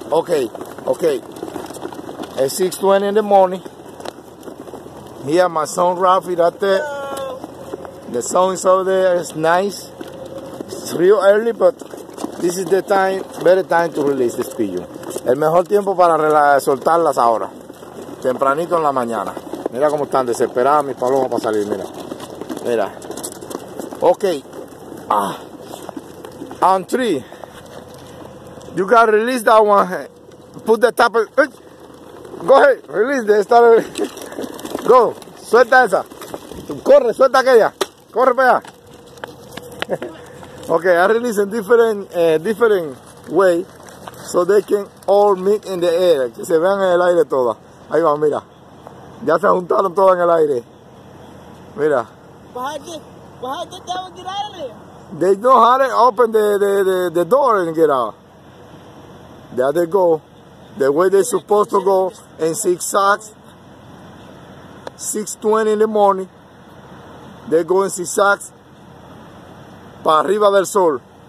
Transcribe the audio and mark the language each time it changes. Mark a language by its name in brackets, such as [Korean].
[English] Okay, okay. At 6:20 in the morning. Here, my son Ralphie right there. Hello. The sun is over there. It's nice. It's real early, but this is the time, better time to release this pigeon. [Spanish] El mejor tiempo para soltarlas ahora. Tempranito en la mañana. Mira cómo están desesperadas mis palomas para salir, mira. Mira. Ok. [English] Ah. On three. You gotta release that one. Put the tap. Go ahead. Release this. Go. [Spanish] Suelta esa. Corre, suelta aquella. Corre para allá. [English] Ok, I release in different way. So they can all meet in the air. [Spanish] Que se vean en el aire todas. Ahí va, mira. Ya se juntaron todas en el aire. Mira. [English] Why did they get out of there? They know how to open the door and get out. There they go. The way they're supposed to go in zigzags. 6:20 in the morning. They go in zigzags. [Spanish] Para arriba del sol.